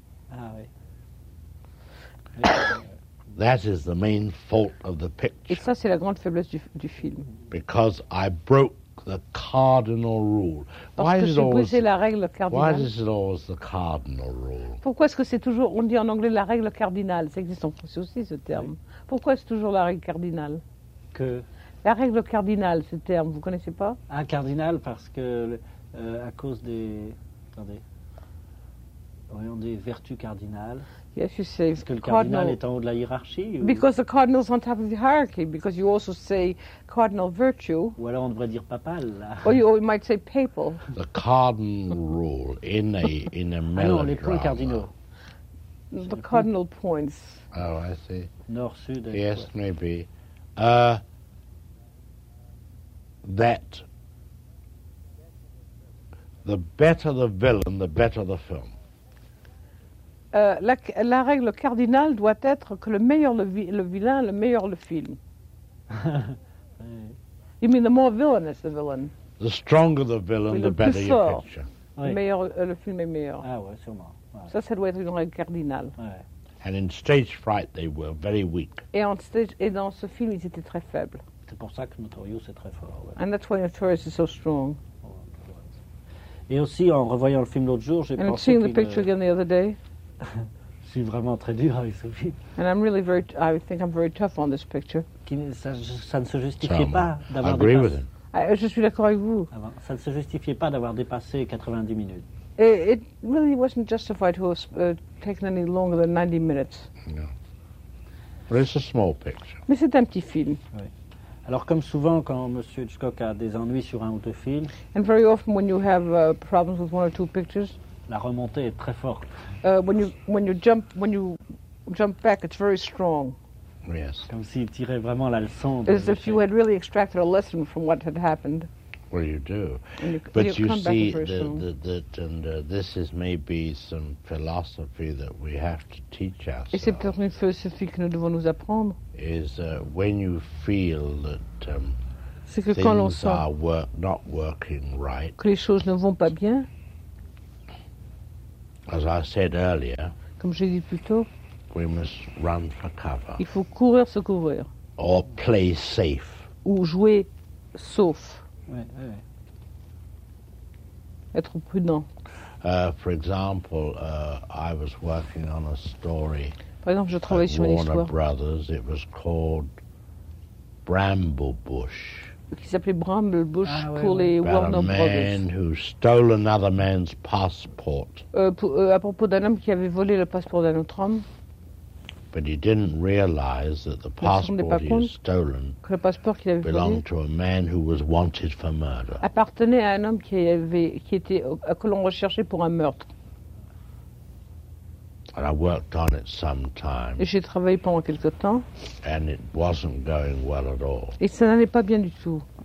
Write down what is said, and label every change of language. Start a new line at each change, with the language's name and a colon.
French: Ah oui.
English: That is the main fault of the picture.
French: Et ça, c'est la grande faiblesse du film.
English: Because I broke the cardinal rule. Why is it always the cardinal rule?
French: Pourquoi est-ce que c'est toujours, on dit en anglais la règle cardinale, ça existe en français aussi ce terme. Pourquoi est-ce toujours la règle cardinale? Que la règle cardinale, ce terme, vous connaissez pas? Un cardinal parce que à cause des, attendez, voyons, des vertus cardinales.
English: Yes, you say
French: est-ce que le cardinal est en haut de la hiérarchie?
English: Because the cardinal's on top of the hierarchy, because you also say cardinal virtue.
French: Ou alors on devrait dire papal.
English: Or you might say papal. The cardinal rule in a melodrama.
French: Ah non, les points cardinaux.
English: The cardinal points. Oh, I see.
French: Nord, sud.
English: Yes, quoi. Maybe. That the better the villain, the better the film. La règle cardinale doit être que le meilleur le vilain, le meilleur le film. You mean the more villainous the villain? The stronger the villain,
French: oui,
English: the better sort. Your picture.
French: Oui. Le film est meilleur. Ah ouais, sûrement. Ouais. Ça doit être une règle cardinale. Ouais.
English: And in stage fright, they were very weak.
French: Et dans ce film, ils étaient très faibles. C'est pour ça que Notorious est très fort. Ouais.
English: And that's why Notorious is so strong.
French: Et aussi en revoyant le film l'autre jour, j'ai
English: and
French: pensé.
English: And seeing the picture again the other day.
French: Je suis vraiment très dur avec ce film.
English: And I'm really very, I think I'm very tough on this picture.
French: Ça ne se justifiait pas d'avoir dépassé.
English: I agree with him.
French: Je suis d'accord avec vous. Ça ne se justifiait pas d'avoir dépassé 90 minutes.
English: It really wasn't justified to have taken any longer than 90 minutes. No. But it's a small picture.
French: Mais c'est un petit film. Oui. Alors comme souvent quand M. Hitchcock a des ennuis sur un ou deux films.
English: And very often when you have problems with one or two pictures.
French: La remontée est très forte.
English: When you jump back, it's very strong. Yes.
French: Comme s'il tirait vraiment la leçon.
English: As if you had really extracted a lesson from what had happened. Well, you do. This is maybe some philosophy that we have to teach ourselves.
French: Et c'est peut-être une philosophie que nous devons nous apprendre.
English: Is when you feel that things are not working right.
French: Que les choses ne vont pas bien.
English: As I said earlier,
French: comme j'ai dit plus tôt,
English: we must run for cover.
French: Il faut courir se couvrir.
English: Or play safe.
French: Ou jouer sauf. Oui, oui. Être prudent.
English: For example, I was working on a story.
French: Par exemple, je travaillais sur une histoire.
English: Warner Brothers. It was called Bramble Bush.
French: Qui s'appelait Bramble Bush, ah, oui, pour les oui. Warner Brothers.
English: A man who stole another man's passport.
French: À propos d'un homme qui avait volé le passeport d'un autre homme.
English: But he didn't realize that the passport he had stolen
French: que le passeport qu'il avait
English: belonged to a man who was wanted for murder.
French: Appartenait à un homme que l'on recherchait pour un meurtre.
English: And I worked on it some time.
French: Et j'ai travaillé pendant quelque temps.
English: And it wasn't going well at all.
French: Et ça n'allait pas bien du tout.